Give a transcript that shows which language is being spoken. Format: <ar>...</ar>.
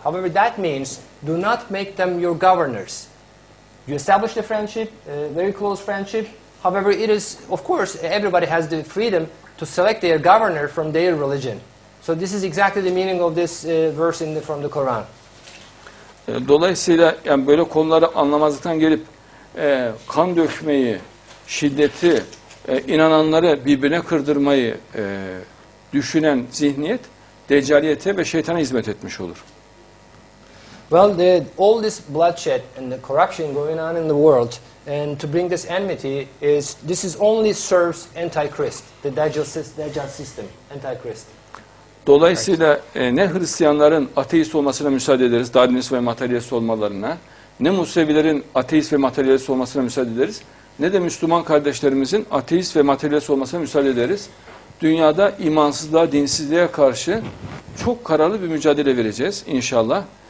<en>However, that means, do not make them your governors. You establish the friendship, very close friendship. However, it is, of course, everybody has the freedom to select their governor from their religion. So this is exactly the meaning of this verse in the, from the Quran.</en> <tr>Dolayısıyla yani böyle konuları anlamazlıktan gelip kan dökmeyi, şiddeti, inananları birbirine kırdırmayı düşünen zihniyet deccaliyete ve şeytana hizmet etmiş olur.</tr> <en>Well, all this bloodshed and the corruption going on in the world and to bring this enmity is this is only serves Antichrist, the Dajjal system, Antichrist.</en> <tr>Dolayısıyla ne Hristiyanların ateist olmasına müsaade ederiz, darinist ve materyalist olmalarına, ne Musevilerin ateist ve materyalist olmasına müsaade ederiz, ne de Müslüman kardeşlerimizin ateist ve materyalist olmasına müsaade ederiz. Dünyada imansızlığa, dinsizliğe karşı çok kararlı bir mücadele vereceğiz inşallah.</tr>